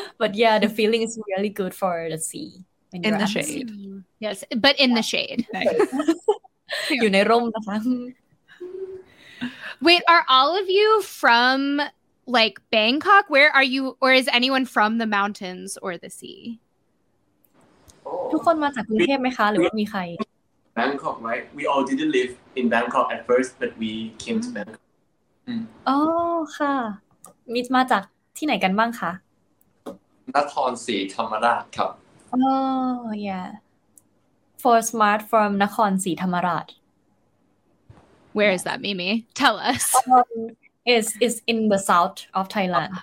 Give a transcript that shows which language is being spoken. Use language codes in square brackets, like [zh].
[en] But yeah, the feeling is really good for the sea. In the shade. Yes, but in the shade. [th] อยู่ในร่มนะคะ [en] Wait, are all of you from, like, Bangkok? Where are you, or is anyone from the mountains or the sea? [th] ทุกคนมาจากกรุงเทพไหมคะหรือว่ามีใคร [en] Bangkok, right? We all didn't live in Bangkok at first, but we came to Bangkok. [th] โอ้ค่ะมิสมาจากที่ไหนกันบ้างคะ นครศรีธรรมราชครับ [en] โอ้ yeah for smart from นครศรีธรรมราช Where is that Mimi tell us is in the south of Thailand